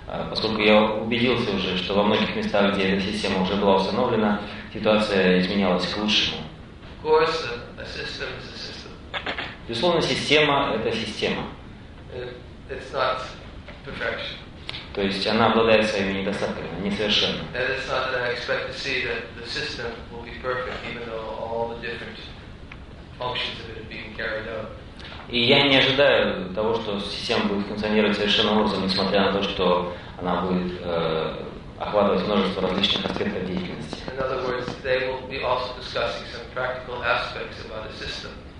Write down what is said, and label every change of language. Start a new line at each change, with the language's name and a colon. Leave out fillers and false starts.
Russian: Поскольку я убедился уже, что во многих местах, где эта система уже была установлена, ситуация изменялась к лучшему.
English: Of course, a system is a system.
Russian: Безусловно, система — это система.
English: It's not perfection.
Russian: То есть она обладает своими недостатками, несовершенна.
English: And it's not that I expect to see that the system will be perfect, even though all the different functions of it are being carried out.
Russian: И я не ожидаю того, что система будет функционировать совершенно образом, несмотря на то, что она будет охватывать множество различных аспектов деятельности.
English: In other words, they will be also discussing some practical aspects about the system.